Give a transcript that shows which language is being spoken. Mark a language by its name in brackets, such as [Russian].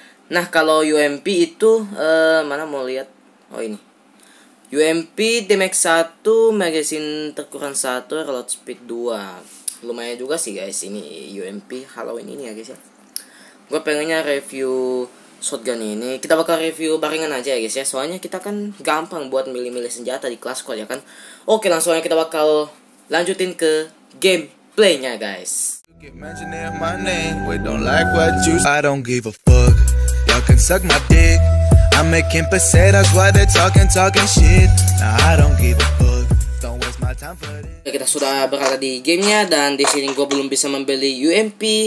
[Indonesian] Nah kalau UMP itu mana mau lihat? Oh ini UMP damage 1, magazine terkurang 1, reload speed 2. Lumayan juga sih guys ini UMP Halloween ini ya guys ya. Gua pengennya review shotgun ini. Kita bakal review barengan aja ya guys ya. Soalnya kita kan gampang buat milih-milih senjata di Class Squad ya kan. Oke, langsung aja kita bakal lanjutin ke gameplay-nya guys. [English] Imagine my name, we don't like what you say. I don't give a fuck. Y'all can suck my dick. I'm making pesetas while they talking shit. Nah, I don't give a fuck. Don't waste my time for it. [Indonesian] Kita sudah berada di gamenya dan di sini gua belum bisa membeli UMP.